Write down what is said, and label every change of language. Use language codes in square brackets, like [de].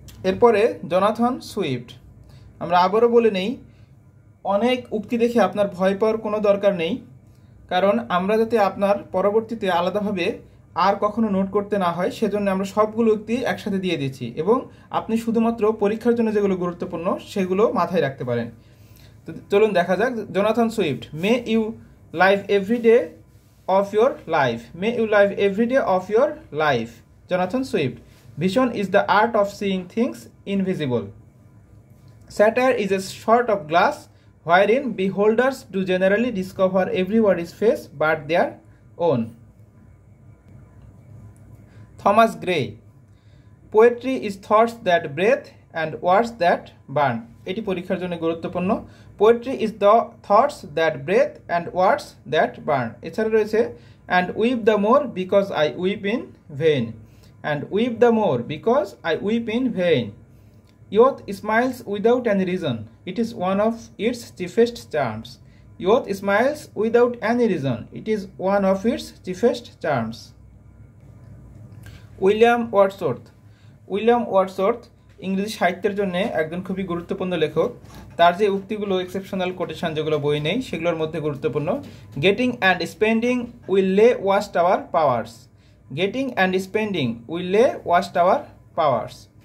[bn] এরপরে Jonathan Swift, আমরা আবারও বলে নেই, অনেক উক্তি দেখে আপনার ভয় পাওয়ার কোনো দরকার নেই, কারণ আমরা যাতে আপনার পরবর্তীতে আলাদাভাবে আর কখনো নোট করতে না হয় সেজন্য আমরা সবগুলো উক্তি একসাথে দিয়ে দিচ্ছি, এবং আপনি শুধুমাত্র পরীক্ষার জন্য যেগুলো গুরুত্বপূর্ণ সেগুলো মাথায় রাখতে পারেন। তো চলুন দেখা যাক। [en] Jonathan Swift, may you live every day of your life, may you live every day of your life. Jonathan Swift, vision is the art of seeing things invisible. Satire is a sort of glass wherein beholders do generally discover everybody's face but their own. Thomas Gray. Poetry is thoughts that breathe and words that burn. [bn] এটি পরীক্ষার জন্য গুরুত্বপূর্ণ. [en] Poetry is the thoughts that breathe and words that burn. [bn] এছাড়া রয়েছে [en] and weep the more because I weep in vain. And weep the more because I weep in vain. Youth smiles without any reason. It is one of its chiefest charms. Youth smiles without any reason. It is one of its chiefest charms. William Wordsworth. [bn] William Wordsworth ইংরেজি সাহিত্যের জন্য একজন খুবই গুরুত্বপূর্ণ লেখক. তার যে উক্তিগুলো exceptional quotation যেগুলো বই নেই সেগুলোর মধ্যে গুরুত্বপূর্ণ, [en] Getting and spending will lay waste our powers. Getting and spending will lay waste our powers.